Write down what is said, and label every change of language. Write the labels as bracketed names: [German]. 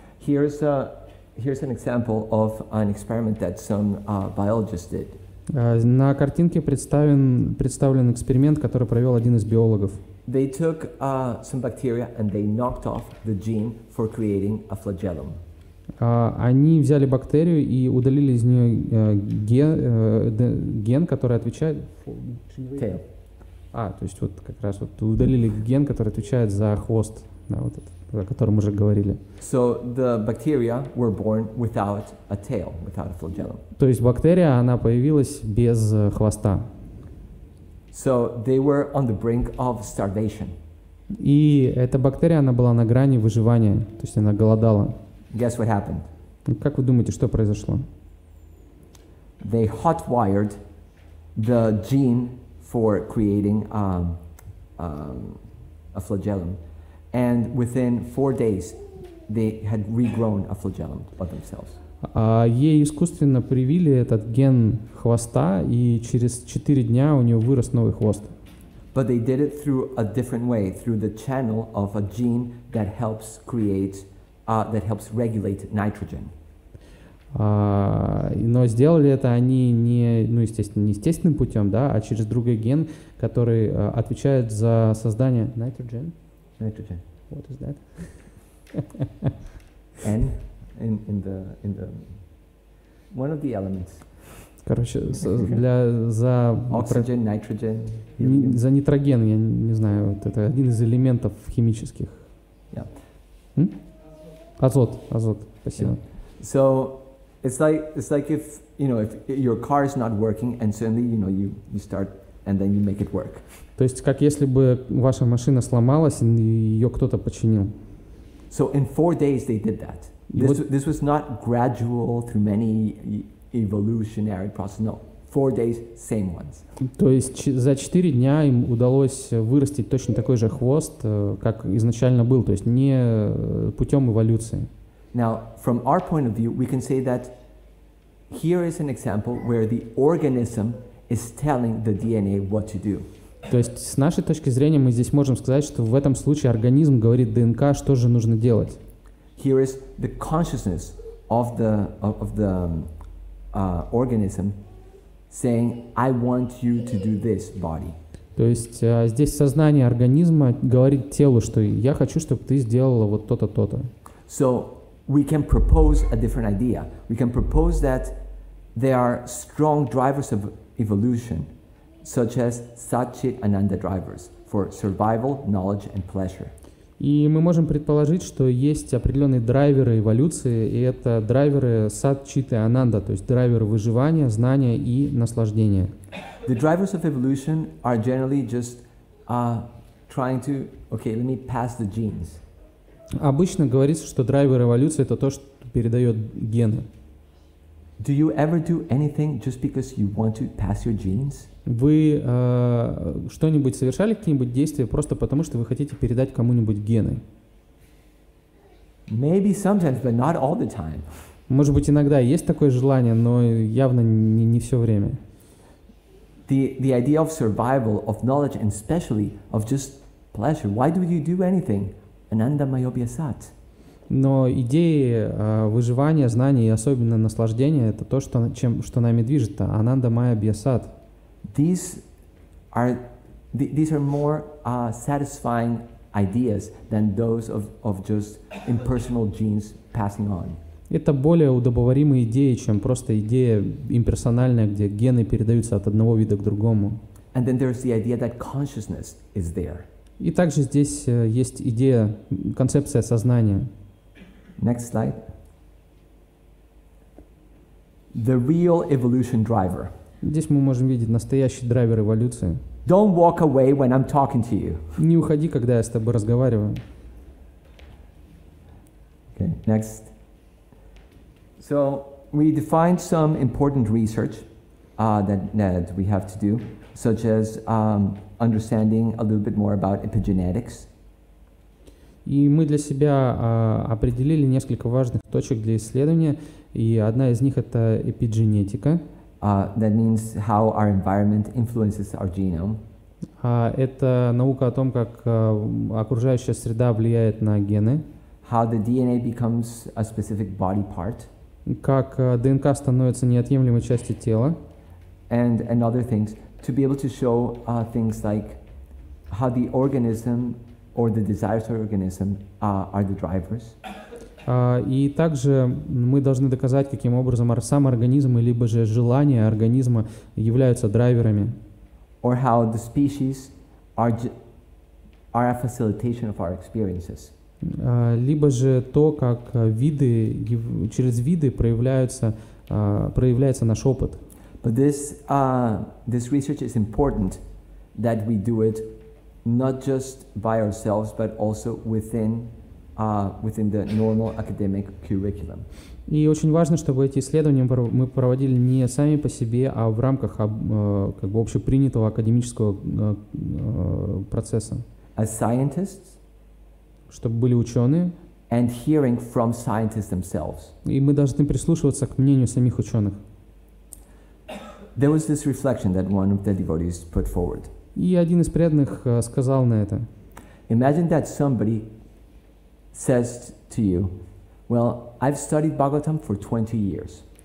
[English] Here's an example of an experiment that some biologists did. [Russian] На картинке представлен эксперимент, который провел один из биологов. [English] They took some bacteria and they knocked off the gene for creating a flagellum. [Russian] Они взяли бактерию и удалили из нее ген, который отвечает. [English] Tail. [Russian] То есть вот как раз вот удалили ген, который отвечает за хвост, да, вот этот. о котором уже говорили. [English] So the bacteria were born without a tail, without a flagellum. [Russian] То есть бактерия, она появилась без хвоста. [English] So they were on the brink of starvation. [Russian] И эта бактерия, она была на грани выживания, то есть она голодала. [English] Guess what happened? [Russian] Как вы думаете, что произошло? [English] They hotwired the gene for creating a flagellum, and within 4 days they had regrown a flagellum by themselves. [Russian] Ей искусственно привили этот ген хвоста, и через 4 дня у нее вырос новый хвост. [English] But they did it through a different way, through the channel of a gene that helps create, that helps regulate nitrogen. [Russian] Но сделали это они не, ну, естественно, не естественным путем, да, а через другой ген, который отвечает за создание nitrogen. [English] Nitrogen. What is that? N in the one of the elements. [Russian] Короче, для за [English] oxygen, nitrogen. [Russian] За нитроген, я не знаю, вот это один из элементов химических. [English] Yeah. [Russian] Азот, спасибо. [English] Yeah. So It's like if, you know, if your car is not working and suddenly, you know, you start and then you make it work. [Russian] То есть как если бы ваша машина сломалась и ее кто-то починил. [English] So in 4 days they did that. This was not gradual through many evolutionary process. No, 4 days, same ones. [Russian] То есть за 4 дня им удалось вырастить точно такой же хвост, как изначально был, то есть не путем эволюции. [English] Now, from our point of view, we can say that here is an example where the organism is telling the DNA what to do. [Russian] То есть с нашей точки зрения мы здесь можем сказать, что в этом случае организм говорит ДНК, что же нужно делать. [English] Here is the consciousness of the organism saying, "I want you to do this, body." [Russian] То есть здесь сознание организма говорит телу, что я хочу, чтобы ты сделала вот то-то, то-то. [English] So we can propose a different idea. We can propose that there are strong drivers of evolution, such as Satchit-Ananda drivers for survival, knowledge, and pleasure. [Russian] И мы можем предположить, что есть определенные драйверы эволюции, и это драйверы Сат-Чит-Ананда, то есть драйверы выживания, знания и наслаждения. [English] The drivers of evolution are generally just trying to, okay, let me pass the genes. [Russian] Обычно говорится, что драйвер эволюции — это то, что передает гены. [English] Do you ever do anything just because you want to pass your genes? [Russian] Вы что-нибудь совершали, какие-нибудь действия просто потому, что вы хотите передать кому-нибудь гены? [English] Maybe sometimes, but not all the time. [Russian] Может быть, иногда есть такое желание, но явно не все время. [English] The idea of survival, of knowledge, and especially of just pleasure. Why do you do anything? Ananda Mayobhya Sat. [Russian] Но идеи выживания, знания и особенно наслаждения — это то, что нами движет. Ананда Майя Сат. [English] These are more satisfying ideas than those of just impersonal genes passing on. [Russian] Это более удобоваримые идеи, чем просто идея имперсональная, где гены передаются от одного вида к другому. [English] And then there's the idea that consciousness is there. [Russian] И также здесь есть идея, концепция сознания. [English] Next slide. The real evolution driver. [Russian] Здесь мы можем видеть настоящий драйвер эволюции. [English] Don't walk away when I'm talking to you. [Russian] Не уходи, когда я с тобой разговариваю. [English] Okay, next. So we defined some important research that we have to do, such as understanding a little bit more about epigenetics. [Russian] И мы для себя определили несколько важных точек для исследования, и одна из них — это эпигенетика. [English] That means how our environment influences our genome. [Russian] Это наука о том, как окружающая среда влияет на гены. [English] How the DNA becomes a specific body part. [Russian] Как ДНК становится неотъемлемой частью тела. [English] And other things. To be able to show things like how the organism or the desires of the organism are the drivers. [Russian] И также мы должны доказать, каким образом сам организм либо же желания организма являются драйверами. [English] Or how the species are a facilitation of our experiences. [Russian] Либо же то, как виды, через виды проявляются, проявляется наш опыт. [English] But this, this research is important that we do it not just by ourselves, but also within, within the normal academic curriculum. [Russian] И очень важно, чтобы эти исследования мы проводили не сами по себе, а в рамках как бы общепринятого академического процесса. [English] As scientists, [Russian] чтобы были ученые, [English] and hearing from scientists themselves. [Russian] И мы должны прислушиваться к мнению самих ученых. [English] There was this reflection that one of the devotees put forward. [Russian] И один из преданных сказал на это. [English] Imagine that somebody says to you, well, I've studied Bhagavatam for 20 years.